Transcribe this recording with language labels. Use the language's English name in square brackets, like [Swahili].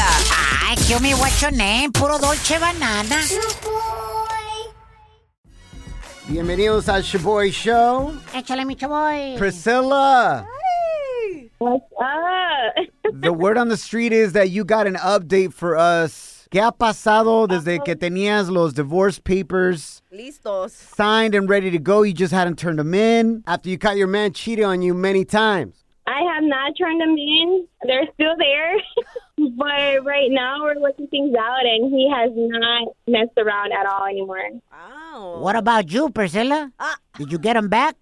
[English] Ay, kill me, what's your name? Puro Dolce Banana. [Spanish] Shaboy. Bienvenidos al Shaboy Show. Échale, mi Shaboy. Priscilla. [English] Hey. What's up? The word on the street is that you got an update for us. [Spanish] ¿Qué ha pasado desde que tenías los [English] divorce papers [Spanish] listos, [English] signed and ready to go? You just hadn't turned them in after you caught your man cheating on you many times. I have not turned them in. They're still there. But right now we're looking things out and he has not messed around at all anymore. Wow. What about you, Priscilla? Did you get them back?